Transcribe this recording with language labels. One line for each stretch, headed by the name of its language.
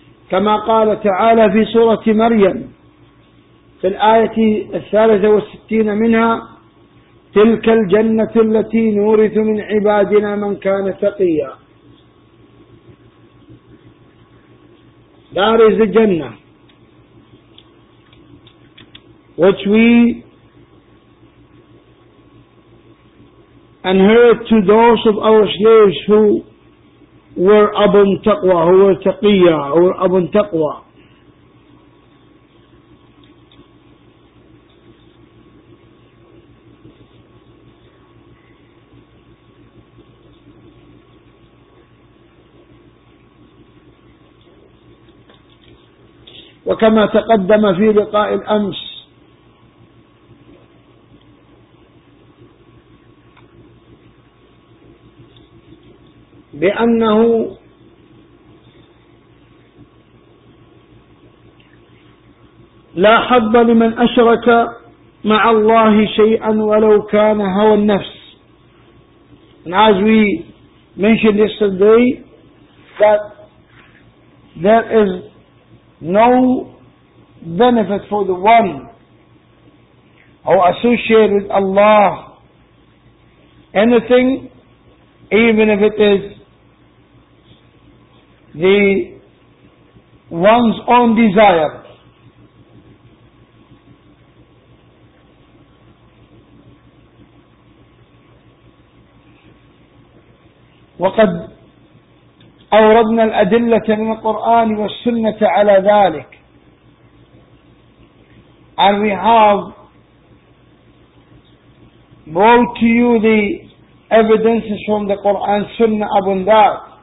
Arabic: كما قال تعالى في سورة مريم في الآية 63 منها تلك الجنة التي نورث من عبادنا من كان تقيا.
English: That is the Jannah which we inherit to those of our slaves who were abun taqwa, who were taqiyya, who were abun taqwa.
Arabic: وكما تقدم في لقاء الأمس بأنه لا حظ لمن أشرك مع الله شيئا ولو كان هوى النفس.
English: And as we mentioned yesterday that there is no benefit for the one who associated with Allah anything, even if it is the one's own desire.
Arabic: وقد أوردنا الأدلة من القرآن والسنة على ذلك.
English: And we have brought to you the evidences from the Quran, Sunnah upon that.